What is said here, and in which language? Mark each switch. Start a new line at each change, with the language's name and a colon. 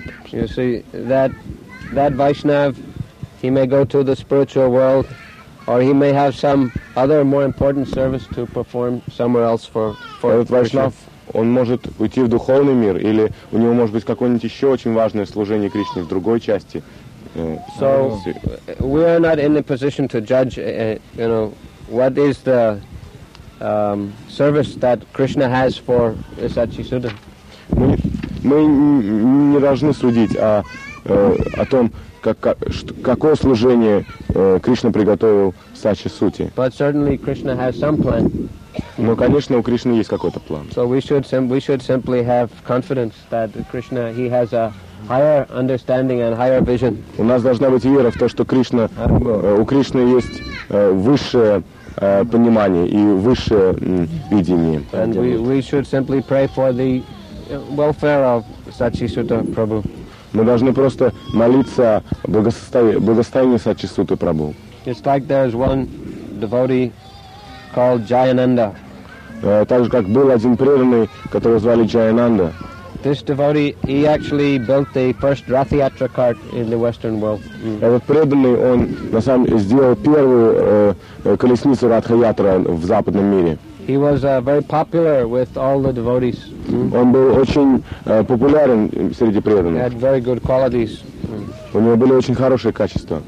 English: You see, that Vaishnav, he may go to the spiritual world, or he may have some other more important service to perform somewhere else for Krishna.
Russian: Он может уйти в духовный мир, или у него может быть какое-нибудь еще очень важное служение Кришне в другой части.
English: So, we are not in a position to judge, you know, what is the service that Krishna has for Sachisuddha.
Russian: Мы не должны судить о том, какое служение Кришна приготовил Сачи Сути.
English: But certainly Krishna has some plan.
Russian: Но, конечно, у Кришны есть какой-то план.
English: So we should simply have confidence that Krishna, he has a higher understanding and higher vision.
Russian: У нас должна быть вера в то, что Кришна, у Кришны есть высшее понимание и высшее видение.
English: And we should simply pray for the welfare of Satchisuta Prabhu.
Russian: Мы должны просто молиться благосостоянию Сачисуты Прабху.
English: It's like there's one devotee called Jayananda.
Russian: Так же, как был один преданный, которого звали Jayananda.
English: This devotee, he actually built the first Rath Yatra cart in the Western world.
Russian: Этот преданный, он на самом деле сделал первую колесницу Ратха Ятра в западном мире.
English: He was very popular with all the devotees.
Russian: Он был очень популярен среди преданных.
English: He had very good qualities.
Russian: У него были очень хорошие качества.